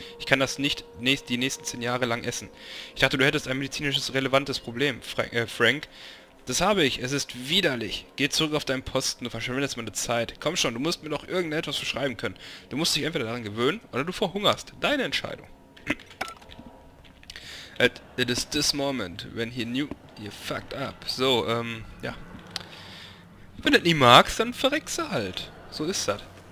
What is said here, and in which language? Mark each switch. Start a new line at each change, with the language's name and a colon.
German: Ich kann das nicht die nächsten 10 Jahre lang essen. Ich dachte, du hättest ein medizinisches relevantes Problem, Frank. Das habe ich. Es ist widerlich. Geh zurück auf deinen Posten. Du verschwendest meine Zeit. Komm schon, du musst mir doch irgendetwas verschreiben können. Du musst dich entweder daran gewöhnen oder du verhungerst. Deine Entscheidung.
English: It is this moment when he knew you fucked up.
German: So, ja. Wenn du nie magst, dann verreckst du halt. So ist das.